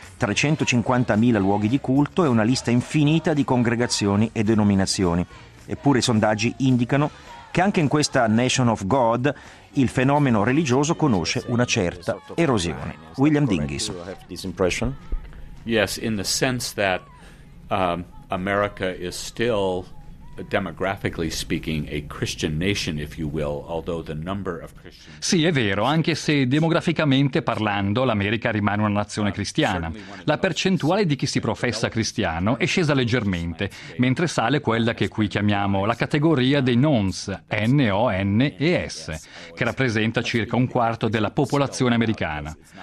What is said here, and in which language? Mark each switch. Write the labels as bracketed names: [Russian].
[Italian] 350.000 luoghi di culto e una lista infinita di congregazioni e denominazioni. Eppure i sondaggi indicano che anche in questa Nation of God il fenomeno religioso conosce una certa erosione. William Dinghis. [English] Yes, in the sense that America is still, demographically speaking, a Christian nation, if you will, although the number of Christians. [Italian] Sì, è vero, anche se demograficamente parlando l'America rimane una nazione cristiana. La percentuale di chi si professa cristiano è scesa leggermente, mentre sale quella che qui chiamiamo la categoria dei nones, N-O-N-E-S, che rappresenta circa un quarto della popolazione americana.